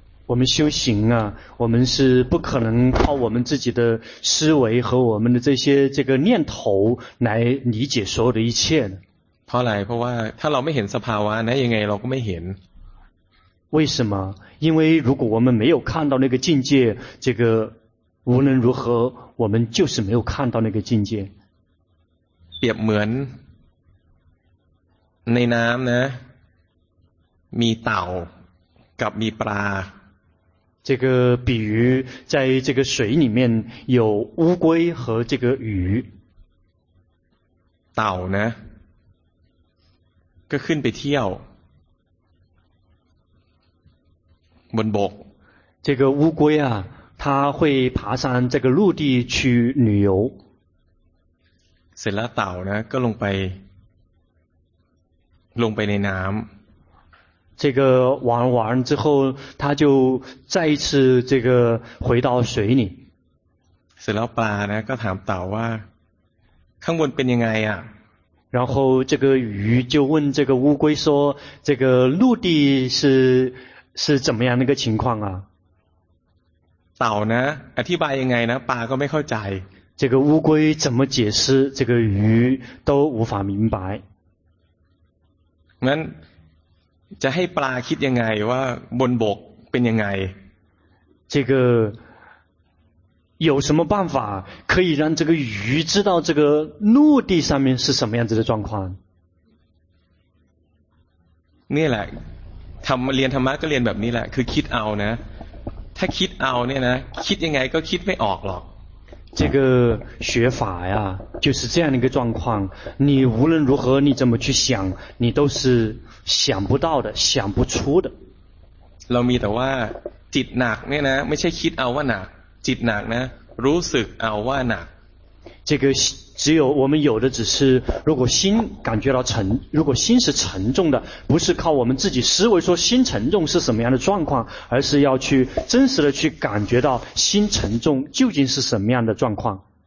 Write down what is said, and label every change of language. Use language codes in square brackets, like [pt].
[zh] 我们修行啊我们是不可能靠我们自己的思维和我们的这些这个念头来理解所有的一切 [th] เพราะอะไรเพราะว่าถ้าเราไม่เห็นสภาวะนะยังไงเราก็ไม่เห็น [zh] 为什么因为如果我们没有看到那个境界这个无论如何我们就是没有看到那个境界 [th] เปรียบเหมือนในน้ำนะมีเต่ากับมีปลา [zh] 这个比喻在这个水里面有乌龟和这个鱼 [th] เต่านะก็ขึ้นไปเที่ยวบนบก [zh] 这个乌龟啊它会爬上这个陆地去旅游 [th] เสร็จแล้วเต่านะก็ลงไปในน้ำ [zh] 这个玩完之后它就再一次这个回到水里 [th] เสร็จแล้วปลานะก็ถามเต่าว่าข้างบนเป็นยังไงอ่ะ [zh] 然后这个鱼就问这个乌龟说这个陆地是怎么样的一个情况啊？岛呢？ [th] อธิบายยังไงนะ？ปลาก็ไม่เข้าใจ。 [zh] 这个乌龟怎么解释？这个鱼都无法明白。 [th] งั้นจะให้ปลาคิดยังไงว่าบนบกเป็นยังไง？ [zh] 这个有什么办法可以让这个鱼知道这个陆地上面是什么样子的状况？ [th] นี่แหละทำเรียนธรรมะก็เรียนแบบนี้แหละคือคิดเอานะถ้าคิดเอาเนี่ยนะคิดยังไงก็คิดไม่ออกหรอก [zh] 这个学法呀就是这样的一个状况你无论如何你怎么去想你都是想不到的想不出的 [th] เรามีแต่ว่าจิตหนักเนี่ยนะไม่ใช่คิดเอาว่าหนักจิตหนักนะรู้สึกเอาว่าหนัก [zh] 这个只有我们有的只是如果心感觉到沉如果心是沉重的不是靠我们自己思维说心沉重是什么样的状况而是要去真实的去感觉到心沉重究竟是什么样的状况